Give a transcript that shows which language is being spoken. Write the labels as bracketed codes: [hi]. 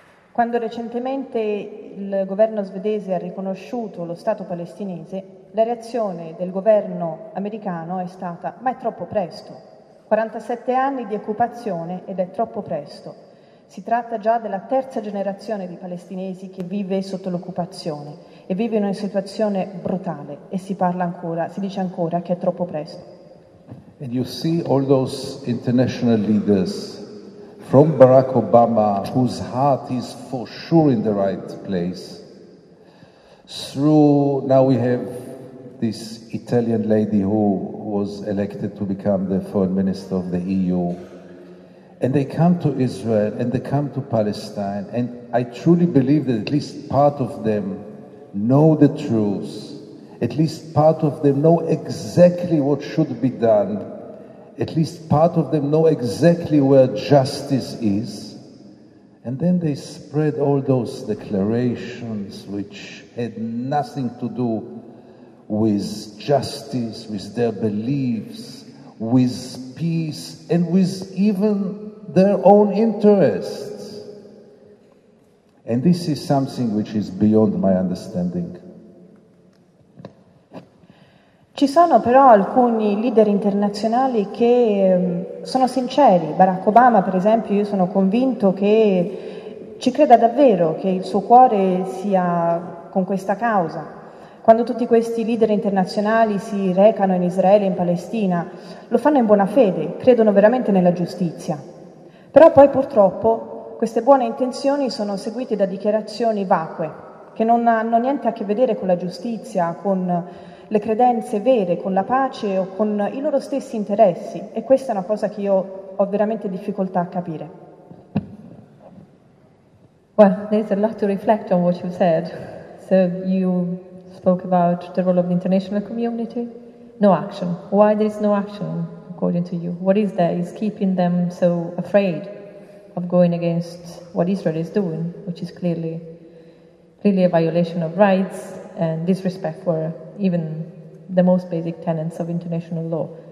[it] Quando recentemente il governo svedese ha riconosciuto lo Stato palestinese, la reazione del governo americano è stata: ma è troppo presto. 47 anni di occupazione ed è troppo presto. Si tratta già della terza generazione di palestinesi che vive sotto l'occupazione e vive in una situazione brutale, e si dice ancora che è troppo presto. [en] And you see all those international leaders, from Barack Obama, whose heart is for sure in the right place, through now we have this Italian lady who was elected to become the foreign minister of the EU. And they come to Israel, and they come to Palestine, and I truly believe that at least part of them know the truth, at least part of them know exactly what should be done, at least part of them know exactly where justice is, and then they spread all those declarations which had nothing to do with justice, with their beliefs, with peace, and with even their own interests. And this is something which is beyond my understanding. [it] Ci sono però alcuni leader internazionali che sono sinceri. Barack Obama, per esempio, io sono convinto che ci creda davvero, che il suo cuore sia con questa causa. Quando tutti questi leader internazionali si recano in Israele e in Palestina, lo fanno in buona fede, credono veramente nella giustizia. Però poi purtroppo queste buone intenzioni sono seguite da dichiarazioni vacue, che non hanno niente a che vedere con la giustizia, con le credenze vere, con la pace o con i loro stessi interessi. E questa è una cosa che io ho veramente difficoltà a capire. [en] Well, there's a lot to reflect on what you said. So you spoke about the role of the international community. No action. Why there is no action? According to you, what is there is keeping them so afraid of going against what Israel is doing, which is clearly a violation of rights and disrespect for even the most basic tenets of international law.